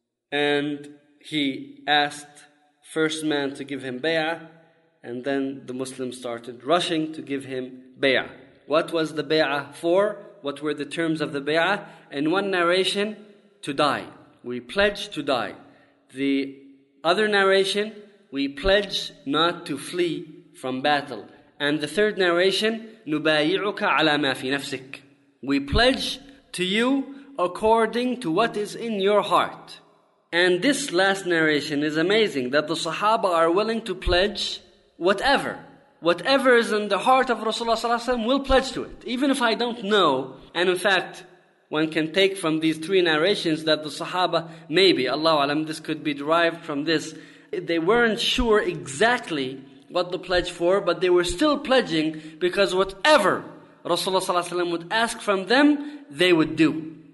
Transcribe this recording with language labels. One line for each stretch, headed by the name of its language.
English: And he asked first man to give him bay'ah, and then the Muslims started rushing to give him bay'ah. What was the bay'ah for? What were the terms of the bay'ah? In one narration, to die. We pledge to die. The other narration, we pledge not to flee from battle. And the third narration,
Arabic: نُبَايِعُكَ عَلَى مَا فِي نَفْسِكَ.
English: We pledge to you according to what is in your heart. And this last narration is amazing, that the Sahaba are willing to pledge whatever. Whatever is in the heart of Rasulullah sallallahu alaihi wasallam, will pledge to it. Even if I don't know. And in fact, one can take from these three narrations that the Sahaba, maybe, Allahu alam, this could be derived from this, they weren't sure exactly what the pledge for, but they were still pledging, because whatever Rasulullah sallallahu alaihi wasallam would ask from them, they would do.